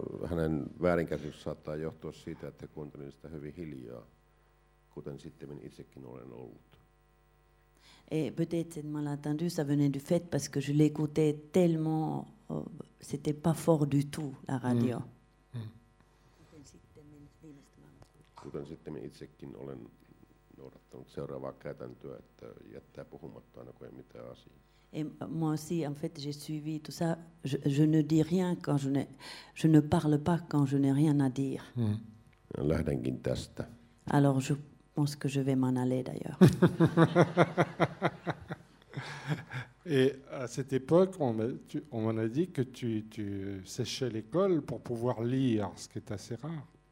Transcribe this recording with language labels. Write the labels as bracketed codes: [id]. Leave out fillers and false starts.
[fi] Hänen väärinkäsitys saattaa johtua siitä, että kuuntelin sitä hyvin hiljaa, kuten sitten itsekin olen ollut. [fr] Et peut-être cette malentendue, ça venait du fait parce que je l'écoutais tellement, c'était pas fort du tout, la radio. Mm. [fi] kuten sitten itsekin olen noudattanut seuraavaa käytäntöä, että jättää puhumatta aina kuin mitään asiaa. [fr] Et moi aussi, en fait, j'ai suivi tout ça. Je ne dis rien quand je ne parle pas quand je n'ai rien à dire. [fi] Mm. Lähdenkin tästä. [fr] Alors, je pense que je vais m'en aller d'ailleurs. Et à cette époque, on m'a dit que tu séchais l'école pour pouvoir lire, ce qui est assez rare.